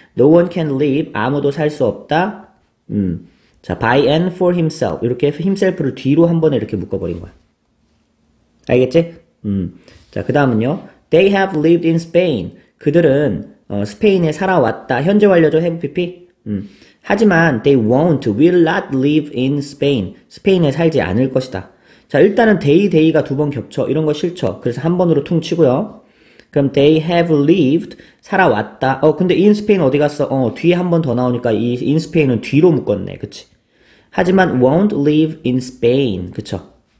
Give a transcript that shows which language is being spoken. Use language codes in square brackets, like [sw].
[en] No one can live, [ko] 아무도 살 수 없다. 자, [en] by and for himself. [ko] 이렇게 himself를 뒤로 한 번에 이렇게 묶어버린 거야. 알겠지? 자, 그 다음은요. [en] They have lived in Spain. [ko] 그들은 스페인에 살아왔다. 현재 완료죠, MVP? 하지만 [en] they won't, will not live in Spain. [ko] 스페인에 살지 않을 것이다. 자, 일단은 they, they가 두 번 겹쳐. 이런 거 싫죠. 그래서 한 번으로 퉁 치고요. 그럼 [en] they have lived, [ko] 살아왔다. 근데 in Spain 어디 갔어? 뒤에 한 번 더 나오니까 이 in Spain은 뒤로 묶었네. 그치? 하지만 [en] won't live in Spain. [ko] 그쵸?